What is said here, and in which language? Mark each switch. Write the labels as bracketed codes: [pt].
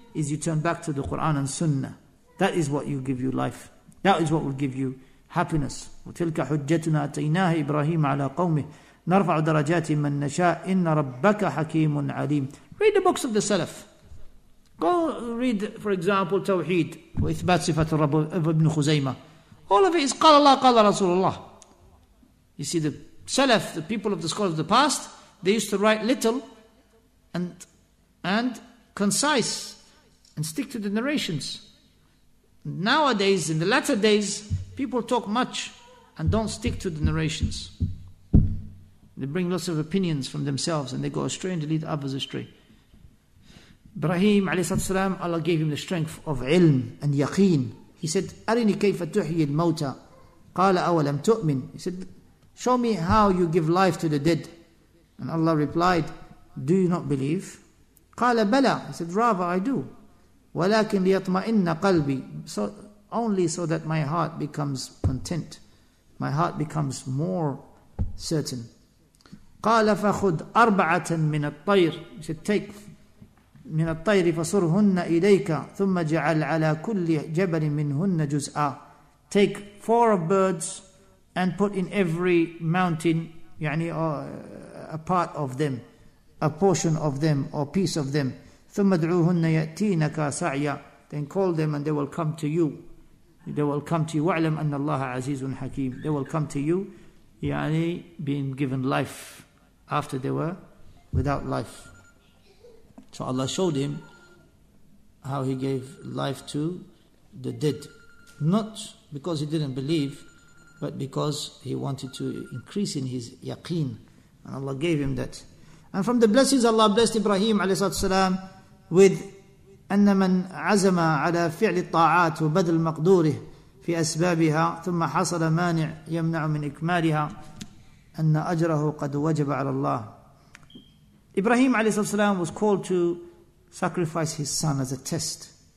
[en] Is you turn back to the Quran and Sunnah. That is what will give you life. That is what will give you happiness. [ar] وَتِلْكَ حُجَّتُنَا أَتَيْنَاهَا إِبْرَاهِيمَ عَلَىٰ قَوْمِهِ نَرْفَعُ دَرَجَاتٍ مَنْ نَشَاءٍ إِنَّ رَبَّكَ حَكِيمٌ عَلِيمٌ. [en] Read the books of the Salaf. Go read, for example, Tawheed. [ar] وَإِثْبَاتِ صِفَةِ الرَّبُّ ابْنُ خُزَيْمَةِ. [en] All of it is [ar] قَالَ اللَّهُ قَالَ رَسُولُ اللَّهِ. [en] You see, the Salaf, the people of the scholars of the past, they used to write little and concise and stick to the narrations. Nowadays, in the latter days, people talk much and don't stick to the narrations. They bring lots of opinions from themselves and they go astray and they lead others astray. Ibrahim alayhi salam, Allah gave him the strength of ilm and yaqeen. He said, [ar] أَرِنِي كَيْفَ تُحْيِي الْمَوْتَى قَالَ أَوَلَمْ تُؤْمِنْ. [en] He said, show me how you give life to the dead. And Allah replied, do you not believe? [ar] قَالَ بَلَى. [en] He said, rather I do. [ar] وَلَكِنْ لِيَطْمَئِنَّ قَلْبِي. [en] So only so that my heart becomes content. My heart becomes more certain. [ar] قَالَ فَخُدْ أَرْبَعَةً مِنَ الطَّيْرِ. [en] He said, take [ar] مِنَ الطَّيْرِ فَصُرْهُنَّ إِلَيْكَ ثُمَّ جَعَلْ عَلَى كُلِّ جَبَلٍ مِنْهُنَّ جُزْآءً. [en] Take four of birds and put in every mountain, يعني, a part of them, a portion of them, or piece of them. [ar] ثُمَّ دْعُوهُنَّ يَأْتِينَكَ سَعْيًا. [en] Then call them and they will come to you. They will come to you. [ar] وَعْلَمْ أَنَّ اللَّهَ عَزِيزٌ حَكِيمٌ. [en] They will come to you, يعني, being given life after they were without life. So Allah showed him how he gave life to the dead. Not because he didn't believe, but because he wanted to increase in his yaqeen. And Allah gave him that. And from the blessings, Allah blessed Ibrahim alayhi salatu salam with [ar] أَنَّ مَنْ عَزَمَ عَلَى فِعْلِ الطَّاعَاتُ وَبَدْلِ مَقْدُورِهِ فِي أَسْبَابِهَا ثُمَّ حَصَلَ مَانِعٌ يَمْنَعُ مِنْ إِكْمَالِهَا أَنَّ أَجْرَهُ قَدْ وَجَبَ عَلَى اللَّهِ. [en] Ibrahim alayhi salam was called to sacrifice his son as a test.